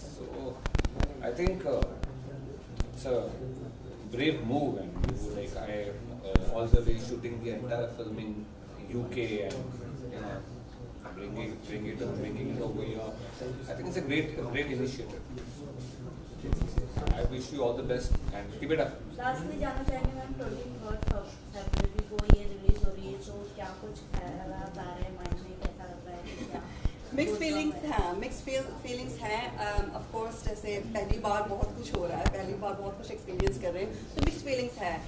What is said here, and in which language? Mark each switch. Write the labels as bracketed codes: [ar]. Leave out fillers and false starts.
[en] So I think it's a brave move and like I all the way shooting the entire film in UK and bringing it over here. I think it's a great initiative. I wish you all the best and keep it up. [hi] Last में जाना चाहेंगे ma'am, 23rd February को ये release हो रही है, तो क्या कुछ खराब आ रहे हैं mind में, कैसा लग रहा है? मिक्स फीलिंग्स हैं। ऑफ कोर्स जैसे पहली बार बहुत कुछ हो रहा है, पहली बार बहुत कुछ एक्सपीरियंस कर रहे हैं, तो मिक्स फीलिंग्स है।